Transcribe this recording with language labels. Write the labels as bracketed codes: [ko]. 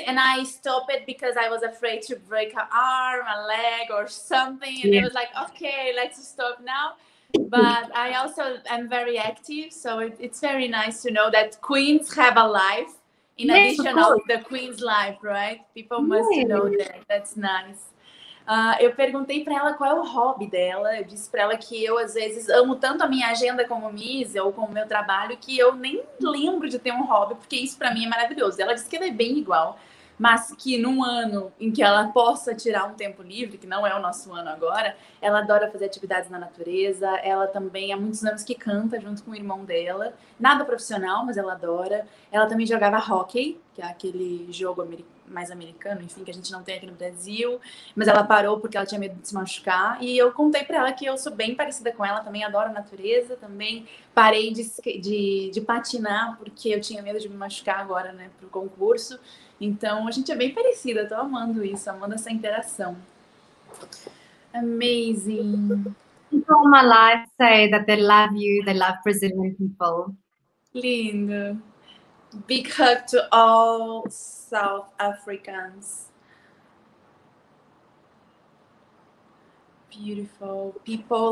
[en] And I stopped it because I was afraid to break an arm, a leg or something. And it was like, okay, let's stop now. But I also am very active. So it's very nice to know that queens have a life in addition to the queen's life, right? People must know that. That's nice. [pt] Eu perguntei para ela qual é o hobby dela. Eu disse para ela que eu, às vezes, amo tanto a minha agenda como Miss ou com o meu trabalho, que eu nem lembro de ter um hobby, porque isso para mim é maravilhoso. Ela disse que ela é bem igual, mas que num ano em que ela possa tirar um tempo livre, que não é o nosso ano agora, ela adora fazer atividades na natureza. Ela também há muitos anos que canta junto com o irmão dela. Nada profissional, mas ela adora. Ela também jogava hockey, que é aquele jogo americano. Mais americano, enfim, que a gente não tem aqui no Brasil, mas ela parou porque ela tinha medo de se machucar, e eu contei para ela que eu sou bem parecida com ela, também adoro a natureza, também parei de patinar porque eu tinha medo de me machucar agora, né, pro concurso. Então a gente é bem parecida, tô amando isso, amando essa interação. [en] Amazing. People on my life say that they love you, they love Brazilian people. [pt] Lindo. [en] Big hug to all South Africans. Beautiful people.